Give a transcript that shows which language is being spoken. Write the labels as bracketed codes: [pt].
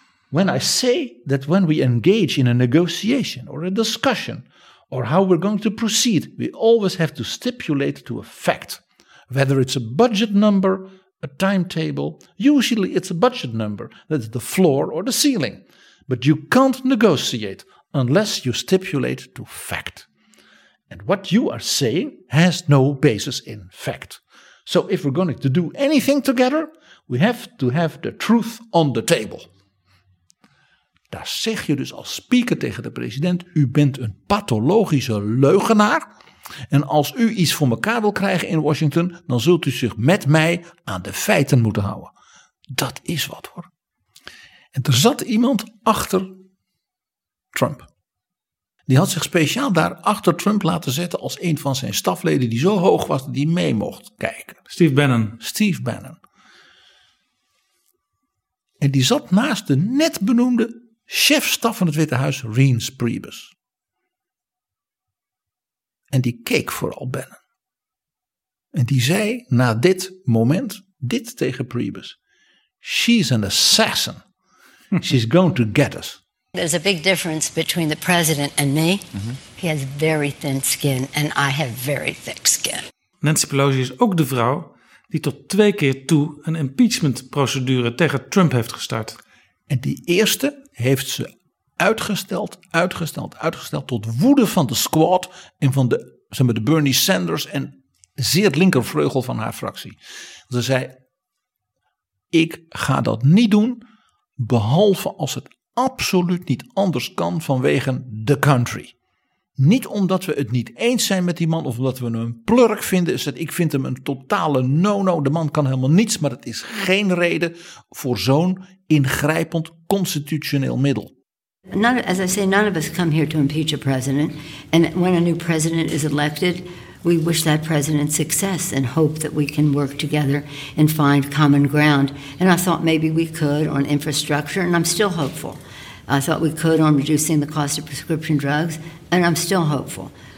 [en] When I say that when we engage in a negotiation or a discussion or how we're going to proceed, we always have to stipulate to a fact, whether it's a budget number, a timetable, usually it's a budget number, that's the floor or the ceiling. But you can't negotiate unless you stipulate to fact. And what you are saying has no basis in fact. So if we're going to do anything together, we have to have the truth on the table. [nl] Daar zeg je dus als speaker tegen de president, u bent een pathologische leugenaar. En als u iets voor elkaar wil krijgen in Washington, dan zult u zich met mij aan de feiten moeten houden. Dat is wat hoor. En er zat iemand achter Trump. Die had zich speciaal daar achter Trump laten zetten als een van zijn stafleden die zo hoog was dat hij mee mocht kijken. Steve Bannon. En die zat naast de net benoemde chef-staf van het Witte Huis, Reince Priebus. En die keek vooral Bannon. En die zei na dit moment, dit tegen Priebus. [en] She's an assassin. She's going to get us. There's a big difference between the president and me. Mm-hmm. He has very thin skin and I have very thick skin. [nl] Nancy Pelosi is ook de vrouw die tot twee keer toe een impeachmentprocedure tegen Trump heeft gestart. En die eerste heeft ze uitgesteld tot woede van de squad en van de Bernie Sanders en zeer linkervleugel van haar fractie. Ze zei, ik ga dat niet doen, behalve als het absoluut niet anders kan vanwege [en] the country. [nl] Niet omdat we het niet eens zijn met die man of omdat we hem een plurk vinden. Is dat ik vind hem een totale no-no. De man kan helemaal niets, maar het is geen reden voor zo'n ingrijpend constitutioneel middel. [en] As I say, none of us come here to impeach a president. And when a new president is elected, we wish that president success and hope that we can work together and find common ground. And I thought maybe we could on infrastructure, and I'm still hopeful. I thought we could on reducing the cost of prescription drugs, and I'm still hopeful.